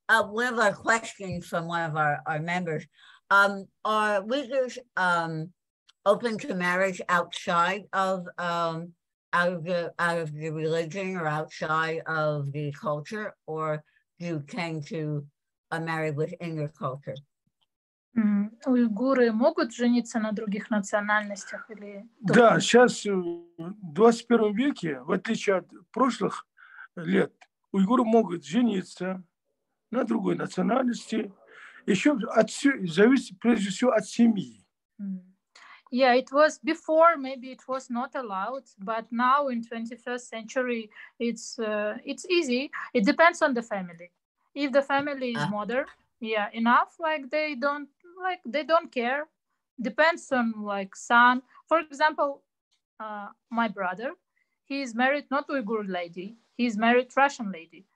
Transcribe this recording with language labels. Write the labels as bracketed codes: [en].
[en] One of our questions from one of our members. Are Uyghurs open to marriage outside of out of the religion or outside of the culture, or you tend to marry within your culture? [ru] Уйгуры могут жениться на других национальностях или... Да, сейчас в 21 веке, в отличие от прошлых лет, уйгуры могут жениться на другой национальности. Еще от, зависит прежде всего от семьи. [en] Yeah, it was before, maybe it was not allowed, but now in 21st century, it's easy. It depends on the family. If the family is modern, yeah, enough, they don't care. Depends on like son. For example, my brother, he is married not to a Uyghur lady, he's married Russian lady.